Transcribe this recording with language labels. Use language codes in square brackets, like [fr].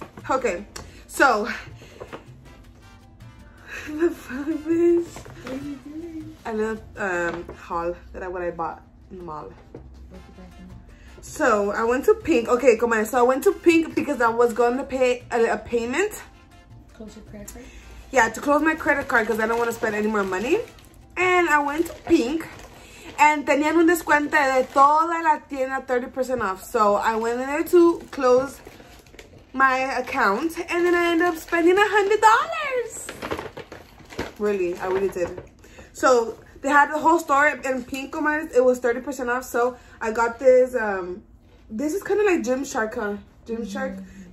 [en] Okay, so the fuck is a little haul that I bought in the mall. So I went to Pink. Okay, come on. So I went to Pink because I was going to pay a payment. Close your credit card? Yeah, to close my credit card because I don't want to spend any more money. And I went to Pink. And [es] tenían un descuento de toda la tienda [en] 30% off. So I went in there to close my account. And then I ended up spending $100. Really, I really did. So they had the whole store in Pink, it was 30% off. So I got this, this is kind of like Gymshark, huh? Gymshark, mm-hmm.